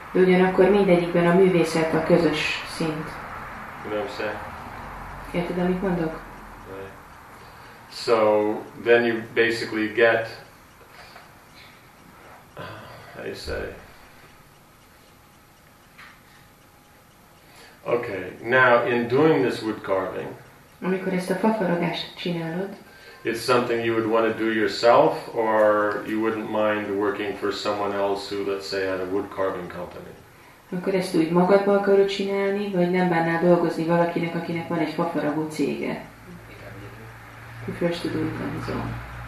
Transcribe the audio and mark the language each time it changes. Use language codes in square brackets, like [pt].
[hu] Ugyanakkor mindegyikben a művészet a közös szint. [en] You know what I'm saying? [hu] Érted, amit mondok? [en] Right. So, then you basically get, how you say, okay, now in doing this wood carving, [hu] amikor ezt a fafaragást csinálod, [en] it's something you would want to do yourself, or you wouldn't mind working for someone else who, let's say, had a wood carving company. [hu] Akkor ezt úgy magadba akarod csinálni, vagy nem bánnál dolgozni valakinek, akinek van egy fafaragó cége? [en] You first to do it on his own.